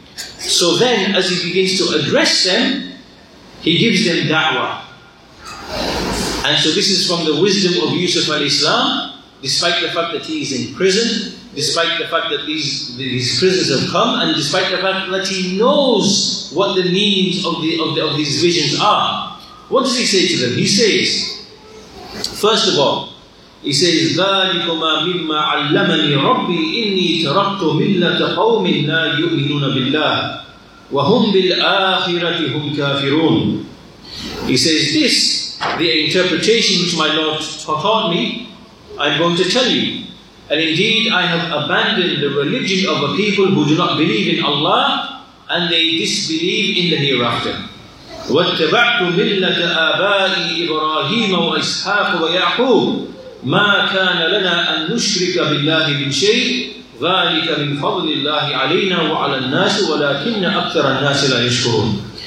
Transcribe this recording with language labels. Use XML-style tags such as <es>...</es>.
<en>So then, as he begins to address them, he gives them da'wah. And so this is from the wisdom of Yusuf al-Islam, despite the fact that he is in prison, despite the fact that these prisoners have come, and despite the fact that he knows what the meanings of these visions are. What does he say to them? He says, first of all, he says,</en> <ar>ذَلِكُمَا مِمَّا عَلَّمَنِي رَبِّي إِنِّي تَرَكْتُ مِلَّةَ قَوْمٍ لَا يُؤْمِنُونَ بِاللَّهِ وَهُمْ بِالْآخِرَةِ هُمْ كَافِرُونَ.</ar> <en>He says, this, the interpretation which my Lord taught me, I'm going to tell you. And indeed, I have abandoned the religion of a people who do not believe in Allah and they disbelieve in the hereafter.</en> <ar>وَاتَّبَعْتُ مِلَّةَ آبَائِي إِبْرَاهِيمَ وَإِسْحَاقُ وَيَعْقُوبُ مَا كَانَ لَنَا أَن نُشْرِكَ بِاللَّهِ مِنْ شَيْءٍ ذَلِكَ مِنْ فَضْلِ اللَّهِ عَلَيْنَا وَعَلَى النَّاسِ وَلَكِنَّ أَكْثَرَ النَّاسِ لَا يَشْكُرُونَ.</ar>